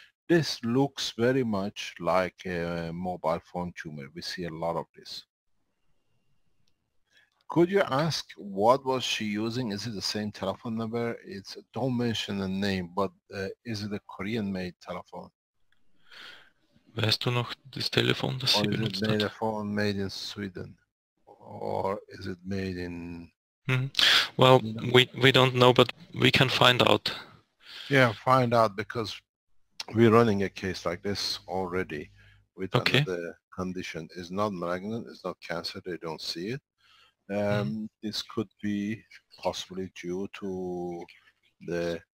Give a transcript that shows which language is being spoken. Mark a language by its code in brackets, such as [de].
[en] This looks very much like a mobile phone tumor. We see a lot of this. Could you ask what was she using? Is it the same telephone number? It's, don't mention the name, but is it a Korean-made telephone? [de] Weißt du noch das Telefon, das sie benutzt hat? [en] Or is it a phone made in Sweden? Or is it made in... Well, we don't know, but we can find out. Yeah, find out, because we're running a case like this already with another condition. It's not malignant, it's not cancer, they don't see it. This could be possibly due to the...